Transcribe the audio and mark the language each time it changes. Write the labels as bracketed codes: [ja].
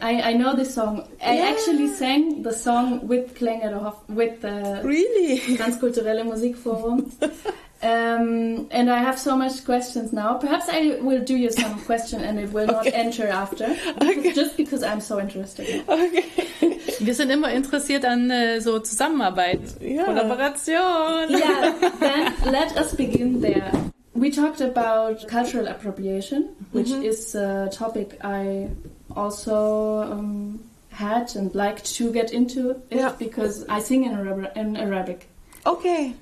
[en] I know this song. Yeah. I actually sang the song with Klänge der Hoffnung, with the really? [de] Transkulturelle Musikforum. [en] And I have so much questions now. Perhaps I will do you some question and it will not okay. enter after. Okay. Just because I'm so interested. Okay. [de] Wir sind immer interessiert an so Zusammenarbeit, yeah. Kollaboration. [en] Yeah, then let us begin there. We talked about cultural appropriation, which mm-hmm. is a topic I also had and liked to get into it, yeah. because I sing in Arabic. Okay.